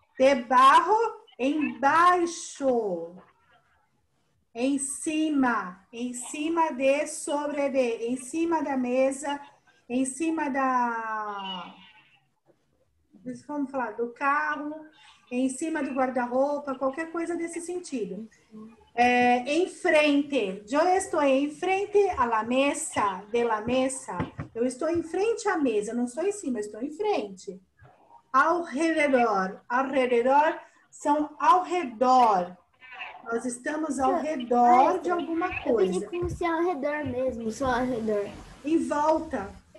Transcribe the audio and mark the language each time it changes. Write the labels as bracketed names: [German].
[Portuguese] Debajo, embaixo. Em cima de, sobre de. Em cima da mesa, em cima da... Vamos falar do carro, em cima do guarda-roupa, qualquer coisa desse sentido. É, em frente. [Spanish] Yo estoy en frente a la mesa, de la mesa. [Portuguese] Eu estou em frente à mesa, não estou em cima, estou em frente. Alrededor são ao redor. Nós estamos ao redor de alguma coisa. Eu pedi como se é ao redor mesmo, só ao redor. Em volta.